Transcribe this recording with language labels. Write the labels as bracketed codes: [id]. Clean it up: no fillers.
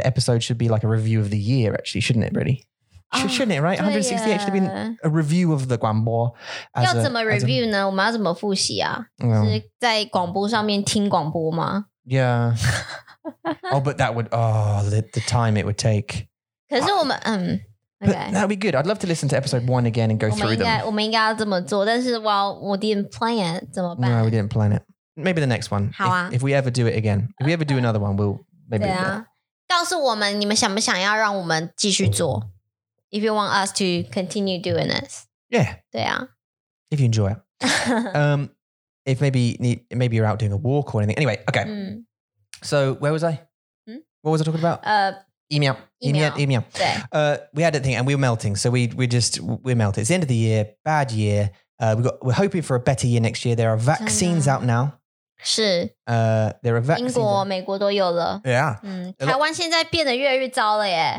[en] episode should be like a review of the year, actually, shouldn't it, really? Shouldn't it, right? 168 should have been a review of the 广播. [zh] 要怎么review呢?我们要怎么复习啊? 是在广播上面听广播吗? [en] Yeah. Oh, but that would, the time it would take. That'd be good. I'd love to listen to episode 1 again and go through them. [zh] 我们应该要这么做,但是 [en] we didn't plan it, [zh] 怎么办? [en] No, we didn't plan it. Maybe the next one. [zh] 好啊。 [en] If we ever do it again. If we ever do another one, we'll maybe. [zh] 告诉我们,你们想不想要让我们继续做? [en] If you want us to continue doing this. Yeah. [zh] 对啊。 [en] If you enjoy it. if maybe you're out doing a walk or anything. Anyway, okay. So where was I? What was I talking about? Email. We had a thing and we were melting. So we're melting. It's the end of the year, bad year. We're hoping for a better year next year. There are vaccines out now. [zh] 是. [en] There are vaccines. [zh] 英国、美国都有了. [en] Yeah. [zh] 台湾现在变得越来越糟了耶.